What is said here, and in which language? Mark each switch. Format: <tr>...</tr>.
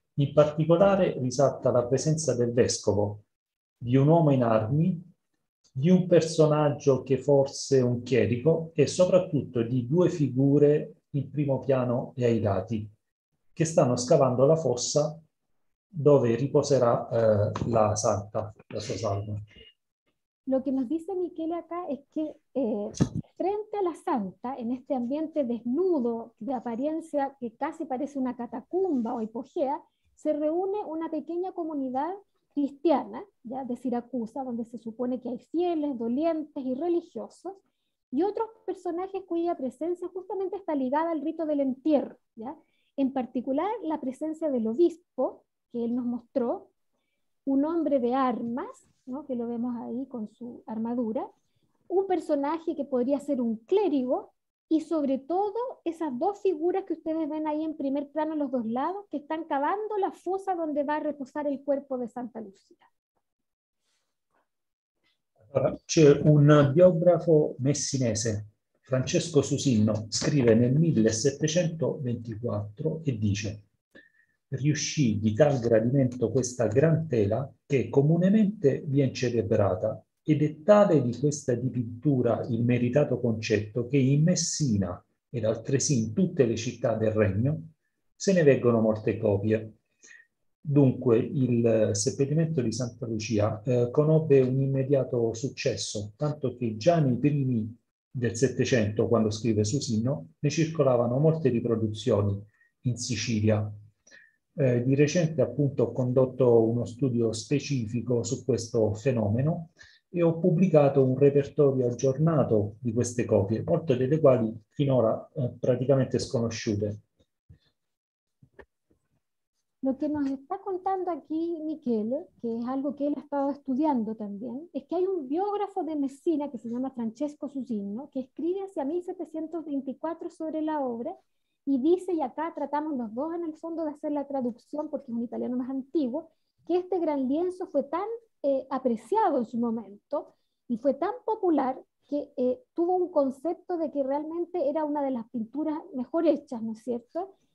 <it>In particolare risalta la presenza del vescovo, di un uomo in armi, di un personaggio che forse è un chierico, e soprattutto di due figure il primo piano e ai dati, che stanno scavando la fossa dove riposerà la santa, la sua salma.</it> <es>Lo che nos dice Michele acá es que frente a la santa, en este ambiente desnudo, de apariencia que casi parece una catacumba o hipogea, se reúne una pequeña comunidad cristiana, ya de Siracusa, donde se supone que hay fieles, dolientes y religiosos, y otros personajes cuya presencia justamente está ligada al rito del entierro, ¿ya? En particular, la presencia del obispo, que él nos mostró, un hombre de armas, ¿no? Que lo vemos ahí con su armadura, un personaje que podría ser un clérigo, y sobre todo esas dos figuras que ustedes ven ahí en primer plano, los dos lados, que están cavando la fosa donde va a reposar el cuerpo de Santa Lucía.</es> <it>C'è un biografo messinese, Francesco Susino, scrive nel 1724 e dice: riuscì di tal gradimento questa gran tela che comunemente viene celebrata, ed è tale di questa dipittura il meritato concetto che in Messina ed altresì in tutte le città del regno se ne vengono molte copie. Dunque, il seppellimento di Santa Lucia conobbe un immediato successo, tanto che già nei primi del Settecento, quando scrive Susino, ne circolavano molte riproduzioni in Sicilia. Di recente, appunto, ho condotto uno studio specifico su questo fenomeno e ho pubblicato un repertorio aggiornato di queste copie, molte delle quali finora praticamente sconosciute.</it> <es>Lo que nos está contando aquí Michele, que es algo que él ha estado estudiando también, es que hay un biógrafo de Messina que se llama Francesco Susino, que escribe hacia 1724 sobre la obra y dice, y acá tratamos los dos en el fondo de hacer la traducción porque es un italiano más antiguo, que este gran lienzo fue tan apreciado en su momento y fue tan popular que tuvo un concepto de que realmente era una de las pinturas mejor hechas, ¿no es cierto?</es>